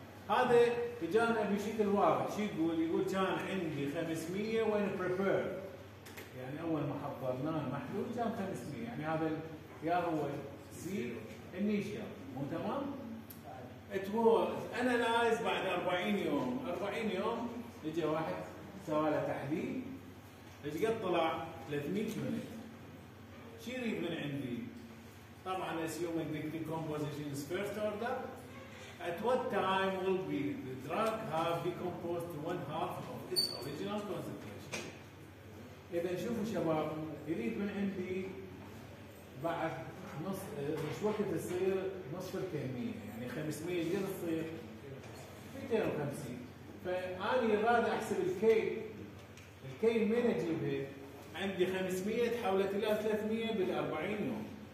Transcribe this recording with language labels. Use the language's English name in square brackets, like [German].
[Arabic] هذا اجانا بشكل واضح، شو يقول؟ يقول كان عندي 500 وين بريبير، يعني اول ما حضرناه المحلول كان 500، يعني هذا يا هو سي انيشال مو تمام؟ ات ووز انلايز بعد 40 يوم، 40 يوم اجى واحد سوى له تحليل ايش قد طلع؟ 300 مليون. شو يريد من عندي؟ طبعا [English] assuming the decomposition is first order at what time will be the drug have decomposed to one half of its original concentration. [Arabic] اذا شوفوا شباب يريد من عندي بعد نص مش وقت تصير نصف الكمية، يعني 500 ايش قد تصير؟ 250. فاني راد احسب الكي، الكي من اجيبها؟ عندي 500 تحولت الى 300 بال 40 يوم.